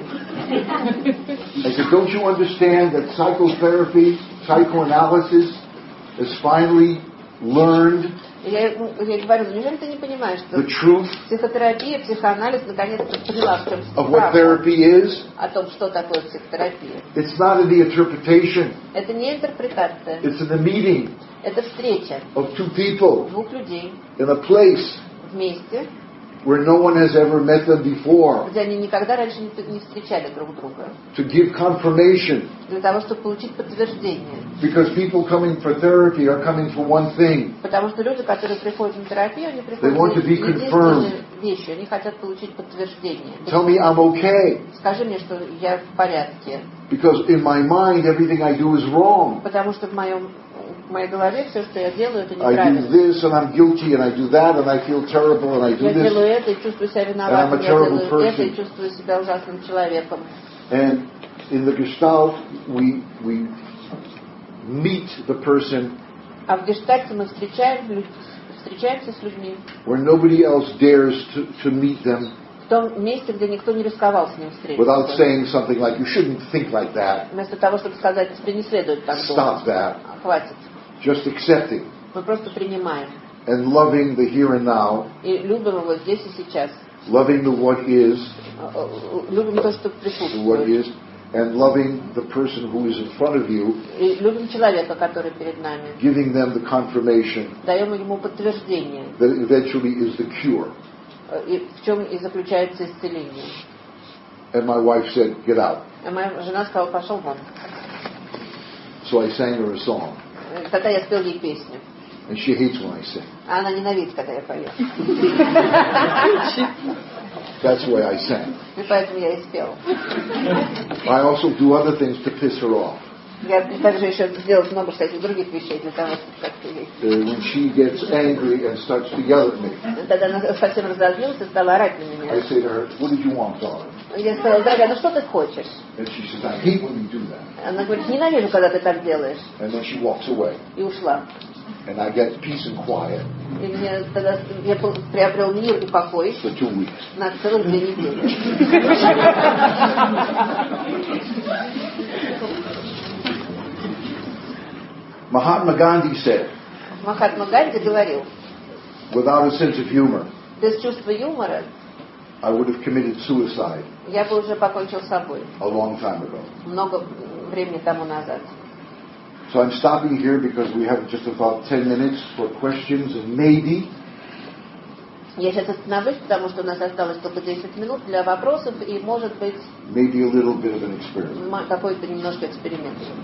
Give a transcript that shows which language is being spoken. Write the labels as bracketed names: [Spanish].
[English] I said, don't you understand that psychotherapy, psychoanalysis, is finally learned [Russian] Я говорю, неужели ты не понимаешь, что психотерапия, психоанализ наконец-то поняла, в чем справа, о том, что такое психотерапия. [English] It's not the interpretation. [Russian] Это не интерпретация. [English] It's the meeting. [Russian] Это встреча [English] of two people [Russian] двух людей [English] in a place [Russian] вместе, [English] where no one has ever met them before, [Russian] где они никогда раньше не встречали друг друга, [English] to give confirmation, [Russian] для того, чтобы получить подтверждение. [English] Because people coming for therapy are coming for one thing. [Russian] Потому что люди, которые приходят на терапию, они приходят. [English] They want to be confirmed. [Russian] Вещи, они хотят получить подтверждение. [English] Tell me I'm okay. [Russian] Скажи мне, что я в порядке. [English] Because in my mind everything I do is wrong. [Russian] Потому что в моей голове все, что я делаю, это неправильно. [English] I do this and I'm guilty and I do that and I feel terrible and I do this. [Russian] Я делаю это и чувствую себя виноватым. [English] I'm a terrible person. [Russian] Я делаю это и чувствую себя ужасным человеком. [English] And in the Gestalt we meet the person. [Russian] А в Гештальте мы встречаемся с людьми. [English] Where nobody else dares to meet them. [Russian] В том месте, где никто не рисковал с ним встретиться. [English] Without saying something like, you shouldn't think like that. [Russian] Вместо того, чтобы сказать, тебе не следует так думать. [English] Stop that. [Russian] Хватит. [English] Just accepting. [Russian] Мы просто принимаем. [English] And loving the here and now. [Russian] И любим его здесь и сейчас. [English] Loving the what is. [Russian] Любим то, что присутствует. [English] What is. And loving the person who is in front of you, [Russian] и любим человека, который перед нами, [English] giving them the confirmation, [Russian] даем ему подтверждение, [English] that eventually is the cure. [Russian] И в чем и заключается исцеление. [English] And my wife said, get out. [Russian] А моя жена сказала, пошел вон. [English] So I sang her a song. [Russian] Тогда я спел ей песню. [English] And she hates when I sing. [Russian] А она ненавидит, когда я пою. [English] That's why I sang. [Russian] И поэтому я и спел. [English] I also do other things to piss her off. [Russian] Я также еще сделал много всяких других вещей для того, чтобы как-то ей. [English] When she gets angry and starts to yell at me. [Russian] Тогда она совсем разозлилась и стала орать на меня. [English] I say to her, "What did you want, darling?" [Russian] Я сказала, дорогая, ну что ты хочешь? [English] And she says, "I hate when you do that." [Russian] Она говорит, ненавижу, когда ты так делаешь. [English] And then she walks away. [Russian] И ушла. [English] And I get peace and quiet. [Russian] И мне тогда я приобрел мир и покой. [English] For 2 weeks. [Russian] На целых 2 недели. [English] Mahatma Gandhi said. [Russian] Махатма Ганди говорил. [English] Without a sense of humor. [Russian] Без чувства юмора. [English] I would have committed suicide. [Russian] Я бы уже покончил с собой. [English] A long time ago. [Russian] Много времени тому назад. [English] So I'm stopping here because we have just about 10 minutes for questions and maybe. [Russian] Я сейчас остановлюсь, потому что у нас осталось только 10 минут для вопросов и, может быть, [English] maybe a little bit of an experiment. [Russian] Какой-то немножко эксперимент.